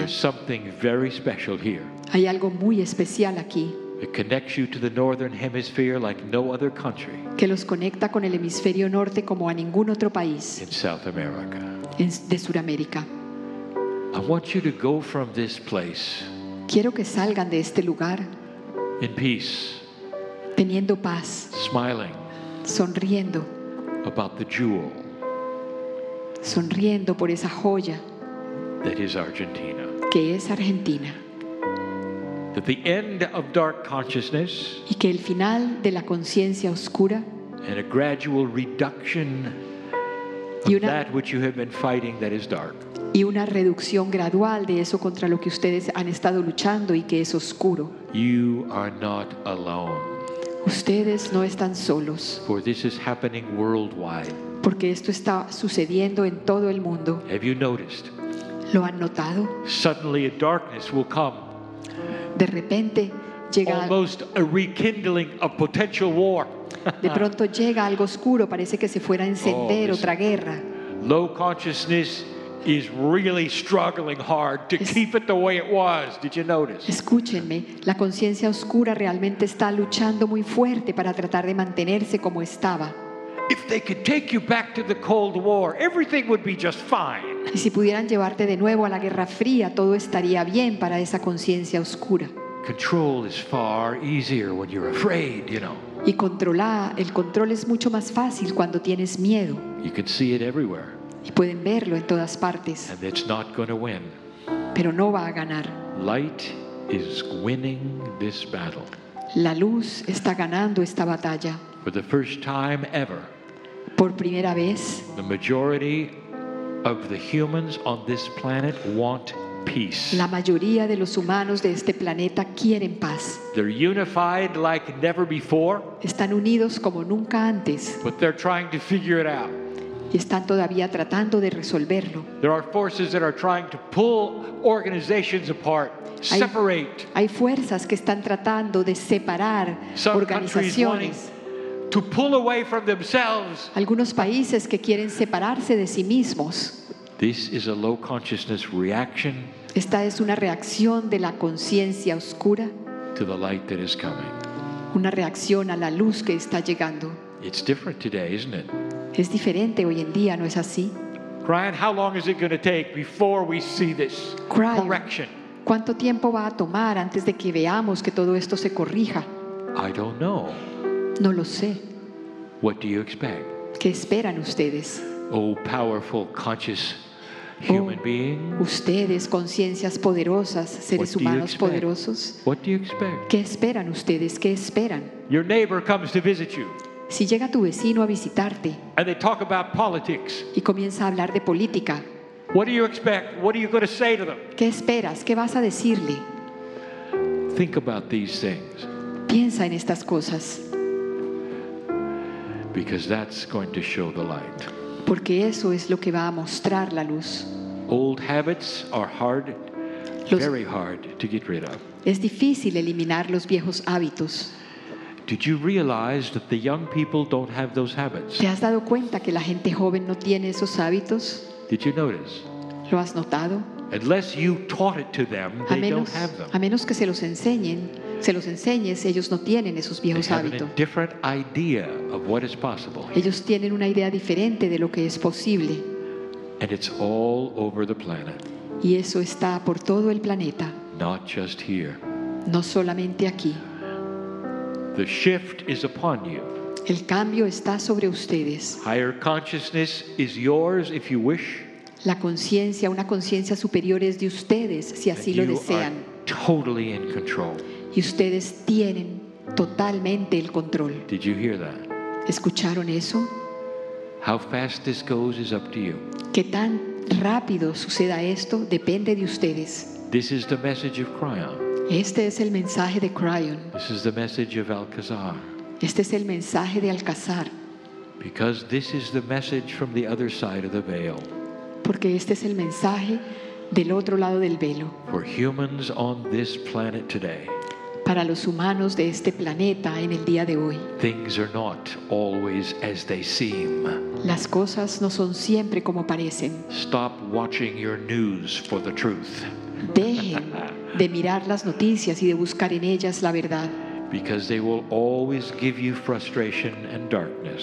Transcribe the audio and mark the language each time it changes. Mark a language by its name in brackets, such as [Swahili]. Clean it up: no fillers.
[English] There's something very special here. [Spanish] Hay algo muy especial aquí. [English] It connects you to the northern hemisphere like no other country. [Spanish] Que los conecta con el hemisferio norte como a ningún otro país. [English] In South America. [Spanish] De Sudamérica. [English] I want you to go from this place. [Spanish] Quiero que salgan de este lugar. [English] In peace. [Spanish] Teniendo paz. [English] Smiling. [Spanish] Sonriendo. [English] About the jewel. [Spanish] Sonriendo por esa joya. [English] That is Argentina. [Spanish] Que es Argentina. [English] That the end of dark consciousness. [Spanish] Y que el final de la conciencia oscura. [English] And a gradual reduction of that which you have been fighting that is dark. [Spanish] Y una reducción gradual de eso contra lo que ustedes han estado luchando y que es oscuro. [English] You are not alone. [Spanish] Ustedes no están solos. [English] For this is happening worldwide. [Spanish] Porque esto está sucediendo en todo el mundo. [English] Have you noticed? [Spanish] ¿Lo han notado? [English] Suddenly a darkness will come. [Spanish] De repente llega [English] almost a rekindling of potential war. [Spanish] De pronto llega algo oscuro, parece que se fuera a encender otra guerra. [English] Low consciousness is really struggling hard to keep it the way it was. Did you notice? [Spanish] Escúchenme, la conciencia oscura realmente está luchando muy fuerte para tratar de mantenerse como estaba. [English] If they could take you back to the Cold War, everything would be just fine. [Spanish] Y si pudieran llevarte de nuevo a la Guerra Fría, todo estaría bien para esa conciencia oscura. [English] Control is far easier when you're afraid, you know. [Spanish] Y el control es mucho más fácil cuando tienes miedo. [English] You can see it everywhere. [Spanish] Y pueden verlo en todas partes. [English] And it's not going to win. [Spanish] Pero no va a ganar. [English] Light is winning this battle. [Spanish] La luz está ganando esta batalla. [English] For the first time ever. [Spanish] Por primera vez. [English] The majority of the humans on this planet want peace. [Spanish] La mayoría de los humanos de este planeta quieren paz. [English] They're unified like never before. [Spanish] Están unidos como nunca antes. [English] But they're trying to figure it out. [Spanish] Y están todavía tratando de resolverlo. [English] There are forces that are trying to pull organizations apart, separate. [Spanish] Hay fuerzas que están tratando de separar organizaciones. [English] To pull away from themselves. [Spanish] Algunos países que quieren separarse de sí mismos. [English] This is a low consciousness reaction. [Spanish] Esta es una reacción de la conciencia oscura. [English] To the light that is coming. [Spanish] Una reacción a la luz que está llegando. [English] It's different today, isn't it? [Spanish] Es diferente hoy en día, ¿no es así? [English] Crying, how long is it going to take before we see this correction? [Spanish] ¿Cuánto tiempo va a tomar antes de que veamos que todo esto se corrija? [English] I don't know. [Spanish] No lo sé. [English] What do you expect? [Spanish] ¿Qué esperan ustedes? [English] Oh, powerful, conscious human being. [Spanish] Ustedes, conciencias poderosas, seres humanos poderosos. [English] What do you expect? [Spanish] ¿Qué esperan ustedes? ¿Qué esperan? [English] Your neighbor comes to visit you. [Spanish] Si llega tu vecino a visitarte. [English] And they talk about politics. [Spanish] Y comienza a hablar de política. [English] What do you expect? What are you going to say to them? [Spanish] ¿Qué esperas? ¿Qué vas a decirle? [English] Think about these things. [Spanish] Piensa en estas cosas. [English] Because that's going to show the light. [Spanish] Porque eso es lo que va a mostrar la luz. [English] Old habits are hard, very hard to get rid of. [Spanish] Es difícil eliminar los viejos hábitos. [English] Did you realize that the young people don't have those habits? [Spanish] ¿Te has dado cuenta que la gente joven no tiene esos hábitos? [English] Did you notice? [Spanish] ¿Lo has notado? [English] Unless you taught it to them, they don't have them. [Spanish] A menos que se los enseñes, ellos no tienen esos viejos hábitos. [English] They have a different idea of what is possible. [Spanish] Ellos tienen una idea diferente de lo que es posible. [English] And it's all over the planet. [Spanish] Y eso está por todo el planeta. [English] Not just here. [Spanish] No solamente aquí. [English] The shift is upon you. [Spanish] El cambio está sobre ustedes. [English] Higher consciousness is yours if you wish. [Spanish] La conciencia, una conciencia superior es de ustedes si así [English] and [Spanish] lo desean. [English] Totally in control. [Spanish] Y ustedes tienen totalmente el control. [English] Did you hear that? [Spanish] ¿Escucharon eso? [English] How fast this goes is up to you. [Spanish] Qué tan rápido suceda esto depende de ustedes. [English] This is the message of Kryon. [Spanish] Este es el mensaje de Kryon. [English] This is the message of Alcazar. [Spanish] Este es el mensaje de Alcazar. [English] Because this is the message from the other side of the veil. [Spanish] Porque este es el mensaje del otro lado del velo. [English] For humans on this planet today. [Spanish] Para los humanos de este planeta en el día de hoy. [English] Things are not always as they seem. [Spanish] Las cosas no son siempre como parecen. [English] Stop watching your news for the truth. [Spanish] Dejen de mirar las noticias y de buscar en ellas la verdad. [English] Because they will always give you frustration and darkness.